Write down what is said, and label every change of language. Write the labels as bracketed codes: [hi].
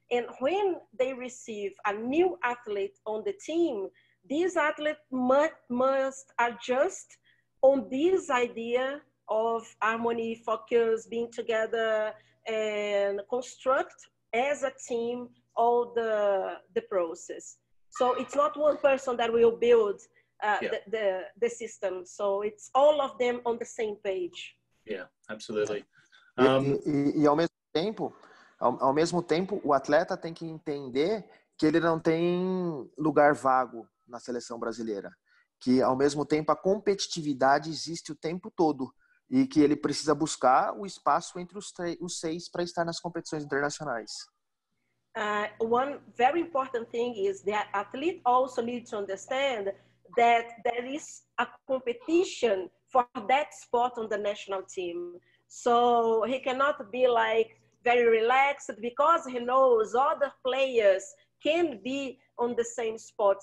[en] And when they receive a new athlete on the team, this athlete must adjust on this idea of harmony, focus, being together, and construct as a team all the process. So it's not one person that will build the system. So it's all of them on the same page. Yeah, absolutely. [pt] E ao mesmo tempo, ao mesmo tempo, o atleta tem que entender que ele não tem lugar vago na seleção brasileira. Que ao mesmo tempo a competitividade existe o tempo todo e que ele precisa buscar o espaço entre os seis para estar nas competições internacionais. [en] One very important thing is the athlete also needs to understand that there is a competition for that spot on the national team. So he cannot be like very relaxed because he knows other players can be on the same spot.